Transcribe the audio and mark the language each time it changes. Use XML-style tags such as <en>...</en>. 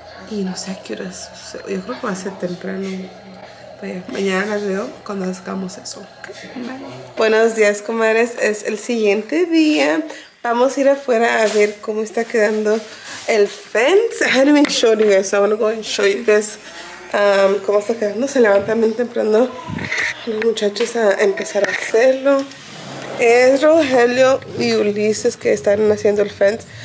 <es>Y no sé a qué hora es. Yo creo que va a ser temprano. Pero mañana las veo cuando hagamos eso. Okay. Bye. Buenos días, comadres. Es el siguiente día. Vamos a ir afuera a ver cómo está quedando el fence.</es> <en>I haven't even shown you guys, so I'm going to go and show you guys</en> <es>cómo está quedando. Se levantan bien temprano los muchachos a empezar a hacerlo. Es Rogelio y Ulises que están haciendo el fence.</es>